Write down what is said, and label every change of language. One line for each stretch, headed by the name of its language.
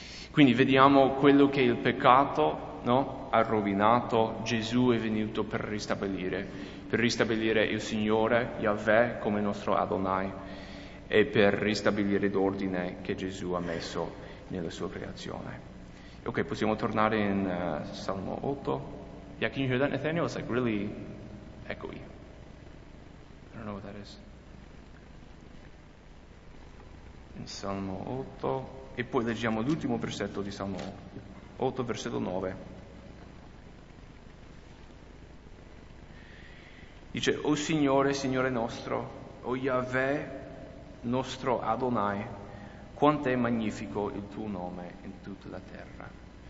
Italian: Quindi vediamo quello che il peccato, no, ha rovinato. Gesù è venuto per ristabilire, il Signore, Yahweh, come nostro Adonai, e per ristabilire l'ordine che Gesù ha messo nella sua creazione. Ok, possiamo tornare in Salmo 8.
English: Yeah, can you hear that, Nathaniel? It's like really echoey. I don't know what that is.
Italian: In Salmo 8. E poi leggiamo l'ultimo versetto di Salmo 8, versetto 9. Dice: o Signore, Signore nostro, o Yahweh, nostro Adonai, quanto è magnifico il tuo nome in tutta la terra.